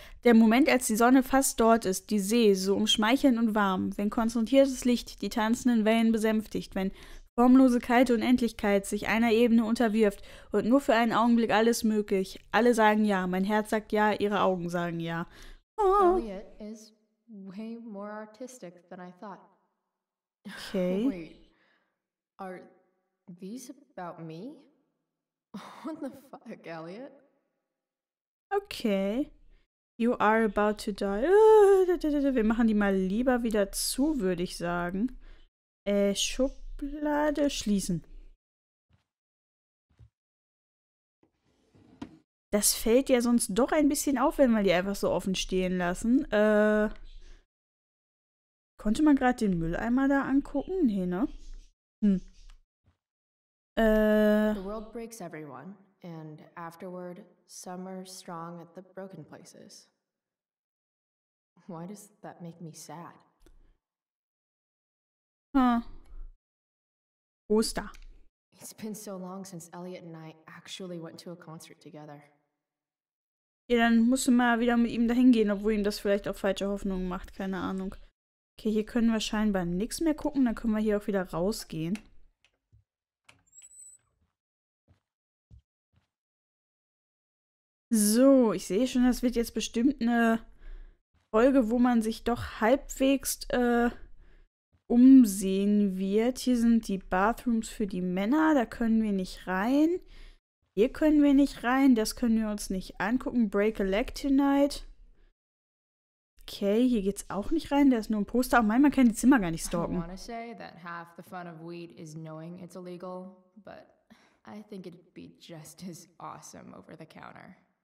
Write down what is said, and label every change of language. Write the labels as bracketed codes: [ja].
[de] Der Moment, als die Sonne fast dort ist, die See, so umschmeichelnd und warm. Wenn konzentriertes Licht die tanzenden Wellen besänftigt, wenn. Formlose Kalte Unendlichkeit sich einer Ebene unterwirft und nur für einen Augenblick alles möglich. Alle sagen ja, mein Herz sagt ja, ihre Augen sagen ja. Oh. [en] Elliot is way more artistic than I thought. Okay. Wait, are these about me? What the fuck, Elliot? Okay. You are about to die. [de] Wir machen die mal lieber wieder zu, würde ich sagen. Schub. Blade schließen. Das fällt ja sonst doch ein bisschen auf, wenn wir die einfach so offen stehen lassen. Konnte man gerade den Mülleimer da angucken? Nee, ne? [en] The world breaks everyone, and afterward, some are strong at the broken places. Why does that make me sad? Huh. Oster. It's been so long since Elliot and I actually went to a concert together. [de] Ja, dann musst du mal wieder mit ihm dahin gehen, obwohl ihm das vielleicht auch falsche Hoffnungen macht, keine Ahnung. Okay, hier können wir scheinbar nichts mehr gucken, dann können wir hier auch wieder rausgehen. So, ich sehe schon, das wird jetzt bestimmt eine Folge, wo man sich doch halbwegs umsehen wird. Hier sind die Bathrooms für die Männer. Da können wir nicht rein. Hier können wir nicht rein. Das können wir uns nicht angucken. [en] Break a leg tonight. [de] Okay, hier geht's auch nicht rein. Da ist nur ein Poster. Auch manchmal kann die Zimmer gar nicht stalken. [en] I want to say that half the fun of weed is knowing it's illegal, but I think it'd be just as awesome over the counter.